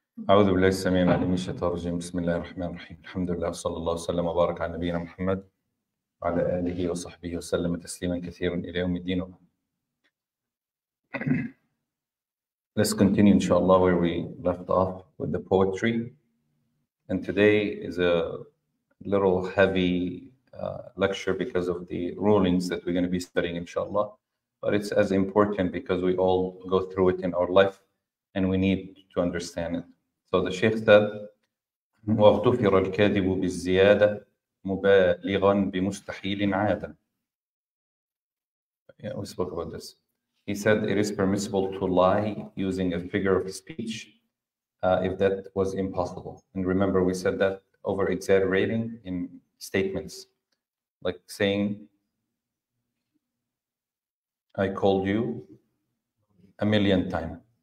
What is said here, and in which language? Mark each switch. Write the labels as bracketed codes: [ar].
[ar] أعوذ بالله السميع العليم من الشيطان الرجيم. بسم الله الرحمن الرحيم. الحمد لله وصلى الله وسلم وبارك على نبينا محمد وعلى آله وصحبه وسلم تسليما كثيرا إلى يوم الدين. [en] Let's continue inshallah where we left off with the poetry. And today is a little heavy lecture because of the rulings that we're going to be studying inshallah. But it's as important because we all go through it in our life and we need to understand it. So the Sheikh said, [ar] وَاغْتُفِرَ الْكَاذِبُ بِالزِّيَادَةِ مُبَالِغًا بِمُسْتَحِيلٍ عَادًا. [en] Yeah, we spoke about this. He said, it is permissible to lie using a figure of speech if that was impossible. And remember, we said that over exaggerating in statements, like saying, I called you a million times.